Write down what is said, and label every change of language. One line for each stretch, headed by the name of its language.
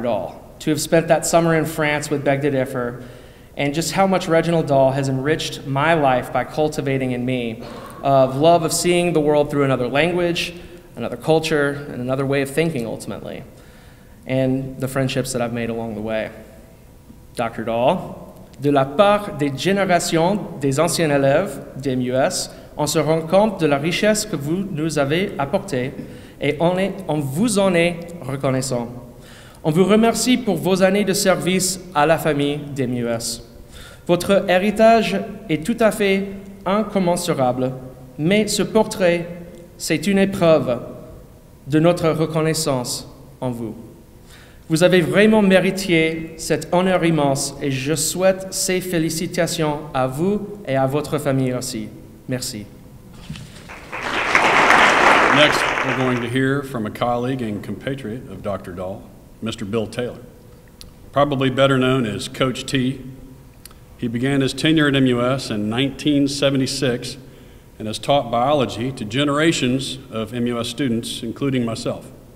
English: Dalle, to have spent that summer in France with Beg to Differ, and just how much Reginald Dalle has enriched my life by cultivating in me a love of seeing the world through another language, another culture, and another way of thinking, ultimately, and the friendships that I've made along the way. Dr.
French: Dalle, de la part des générations des anciens élèves des MUS, on se rend compte de la richesse que vous nous avez apportée et on vous en est reconnaissant. On vous remercie pour vos années de service à la famille des MUS. Votre héritage est tout à fait incommensurable, mais ce portrait, c'est une épreuve de notre reconnaissance en vous. Vous avez vraiment mérité cet honneur immense et je souhaite ces félicitations à vous et à votre famille aussi. Merci.
English: Next, we're going to hear from a colleague and compatriot of Dr. Dalle, Mr. Bill Taylor, probably better known as Coach T. He began his tenure at MUS in 1976 and has taught biology to generations of MUS students, including myself.